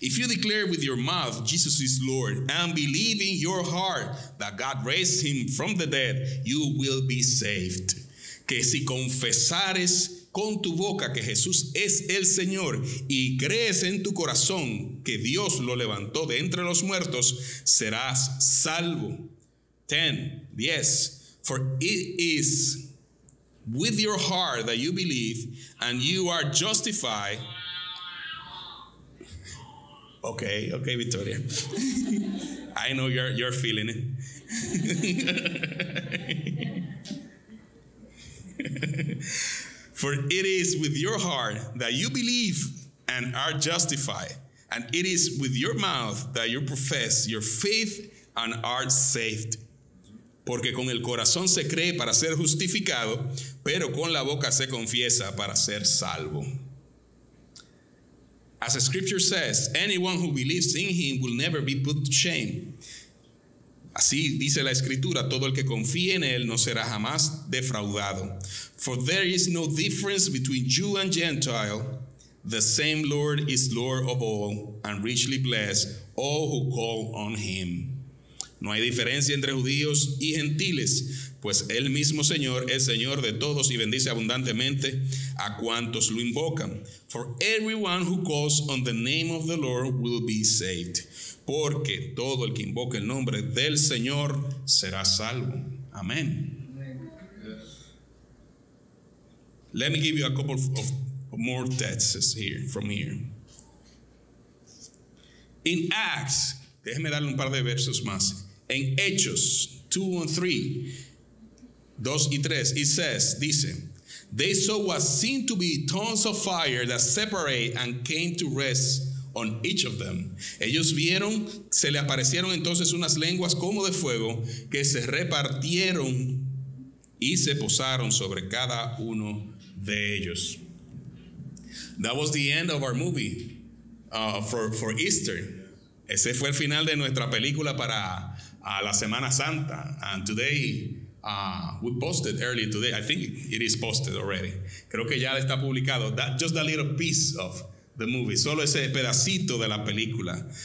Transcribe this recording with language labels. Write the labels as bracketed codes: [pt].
[en] If you declare with your mouth Jesus is Lord and believe in your heart that God raised him from the dead, you will be saved. [es] Que si confesares con tu boca que Jesús es el Señor y crees en tu corazón que Dios lo levantó de entre los muertos, serás salvo. [en] 10. Yes. For it is with your heart that you believe and you are justified. Okay, okay, Victoria. I know you're feeling it. For it is with your heart that you believe and are justified, and it is with your mouth that you profess your faith and are saved. [es] Porque con el corazón se cree para ser justificado, pero con la boca se confiesa para ser salvo. [en] As the scripture says, anyone who believes in him will never be put to shame. [es] Así dice la escritura, todo el que confíe en él no será jamás defraudado. [en] For there is no difference between Jew and Gentile. The same Lord is Lord of all and richly bless all who call on him. [es] No hay diferencia entre judíos y gentiles, pues el mismo Señor es Señor de todos y bendice abundantemente a cuantos lo invocan. [en] For everyone who calls on the name of the Lord will be saved. [es] Porque todo el que invoque el nombre del Señor será salvo. Amén. [en] Let me give you a couple of more texts here, from here. In Acts, [es] déjeme darle un par de versos más. [en] En Hechos 2 and 3, it says, [es] dice, [en] they saw what seemed to be tongues of fire that separate and came to rest on each of them. [es] Ellos vieron, se le aparecieron entonces unas lenguas como de fuego que se repartieron y se posaron sobre cada uno de ellos. [en] That was the end of our movie for Easter. [es] Ese fue el final de nuestra película para a la Semana Santa, [en] and today we posted early today. I think it is posted already. [es] Creo que ya está publicado. [en] That just a little piece of the movie. [es] Solo ese pedacito de la película.